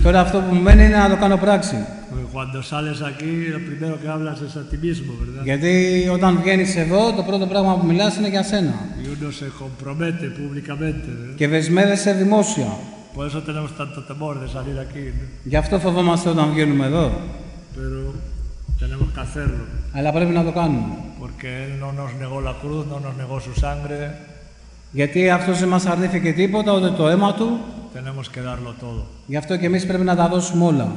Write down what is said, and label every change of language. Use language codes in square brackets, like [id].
[el] Τώρα αυτό που μένει είναι να το κάνω πράξη. [es] Cuando sales aquí, lo primero que hablas es a ti mismo, ¿verdad? [el] Γιατί όταν βγαίνεις εδώ, το πρώτο πράγμα που μιλάς είναι για σένα. [es] Y uno se compromete públicamente, ¿verdad? [el] Και δεσμεύεσαι δημόσια. [es] Por eso tenemos tanto temor de salir aquí, ¿no? [el] Γι' αυτό φοβόμαστε όταν βγαίνουμε εδώ. [es] Pero tenemos que hacerlo. [el] Αλλά πρέπει να το κάνουμε. [es] Porque él no nos negó la cruz, no nos negó su sangre. [el] Γιατί αυτός δεν μας αρνήθηκε τίποτα, ούτε το αίμα του. [es] Tenemos que darlo todo. [el] Γι' αυτό και εμείς πρέπει να τα δώσουμε όλα.